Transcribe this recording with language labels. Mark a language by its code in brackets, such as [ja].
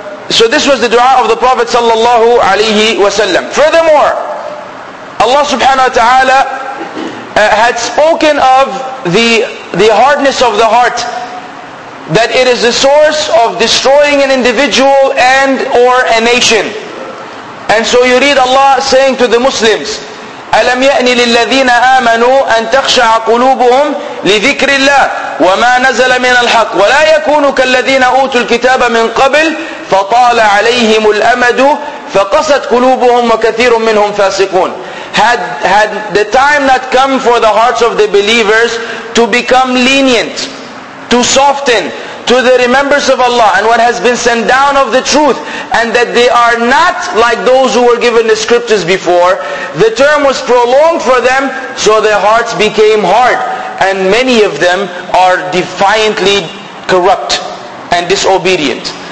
[en] So this was the dua of the Prophet sallallahu alaihi wasallam. Furthermore, Allah subhanahu wa ta'ala had spoken of the hardness of the heart, that it is the source of destroying an individual and or a nation. And so you read Allah saying to the Muslims, [ar] أَلَمْ يَأْنِ لِلَّذِينَ آمَنُوا أَن تَخْشَعَ قُلُوبُهُمْ لِذِكْرِ اللَّهِ وَمَا نَزَلَ مِنَ الْحَقِّ وَلَا يَكُونُ كَالَّذِينَ أُوتُوا الْكِتَابَ مِنْ قَبْلِ فَطَالَ عَلَيْهِمُ الْأَمَدُ فَقَسَتْ قُلُوبُهُمْ وَكَثِيرٌ مِّنْهُمْ فَاسِقُونَ. [en] Had the time not come for the hearts of the believers to become lenient, to soften to the remembrance of Allah and what has been sent down of the truth, and that they are not like those who were given the scriptures before, the term was prolonged for them, so their hearts became hard, and many of them are defiantly corrupt and disobedient.